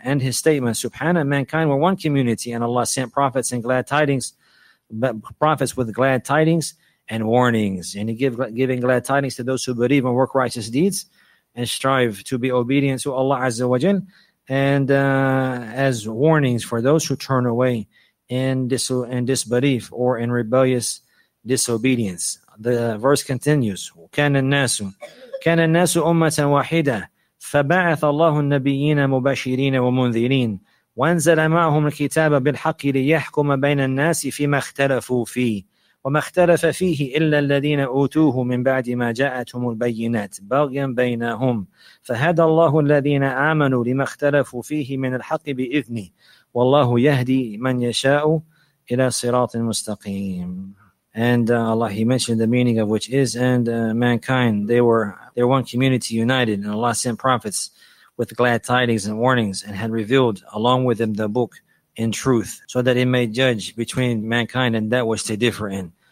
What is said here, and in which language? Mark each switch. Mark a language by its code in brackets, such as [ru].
[en] And his statement, subhana, mankind were one community, and Allah sent prophets and glad tidings, prophets with glad tidings and warnings. And he giving glad tidings to those who believe and work righteous deeds and strive to be obedient to Allah Azza wa Jal, and as warnings for those who turn away in disbelief or in rebellious disobedience. [ar] The verse continues, كان الناس أمة واحدة فبعث الله النبيين مبشرين ومنذرين وانزل معهم الكتاب بالحق ليحكم بين الناس فيما اختلفوا فيه وما اختلف فيه إلا الذين أوتوه من بعد ما جاءتهم البينات بغيا بينهم فهدى الله الذين آمنوا لما اختلفوا فيه من الحق بإذنه والله يهدي من يشاء إلى صراط مستقيم. [en] And Allah, he mentioned the meaning of which is, and mankind, they were one community united, and Allah sent prophets with glad tidings and warnings, and had revealed along with them the book in truth, so that it may judge between mankind and that which they differ in.